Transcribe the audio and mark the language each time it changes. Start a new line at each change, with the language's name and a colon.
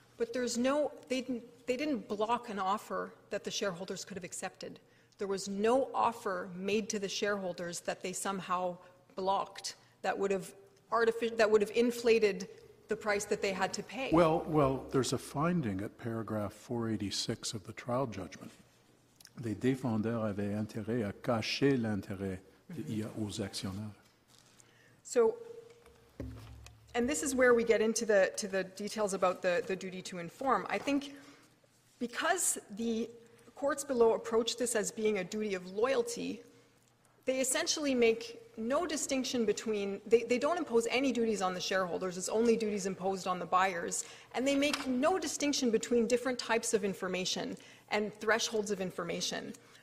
English: But there's no, they didn't block an offer that the shareholders could have accepted. There was no offer made to the shareholders that they somehow blocked that would have inflated the price that they had to pay. Well, there's a finding at paragraph 486 of the trial judgment.
French: Les défendeurs avaient intérêt à cacher l'intérêt aux actionnaires.
English: So, and this is where we get into the details about the duty to inform. I think because the courts below approach this as being a duty of loyalty, they essentially make no distinction between, they don't impose any duties on the shareholders, it's only duties imposed on the buyers, and they make no distinction between different types of information and thresholds of information.